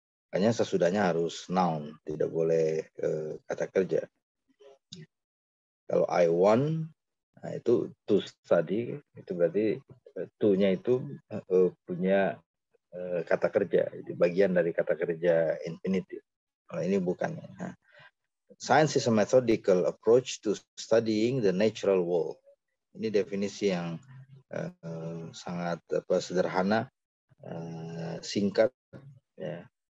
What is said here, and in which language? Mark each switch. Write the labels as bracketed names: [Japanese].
[Indonesian] Hanya sesudahnya harus noun, tidak boleh kata kerja. Kalau [English] I want, [Indonesian] nah itu [English] to study, [Indonesian] itu berarti to-nya itu punya kata kerja, jadi bagian dari kata kerja infinitive. Kalau ini bukan. [English] Science is a methodical approach to studying the natural world. [Indonesian] Ini definisi yang sangat sederhana, singkat. Ya.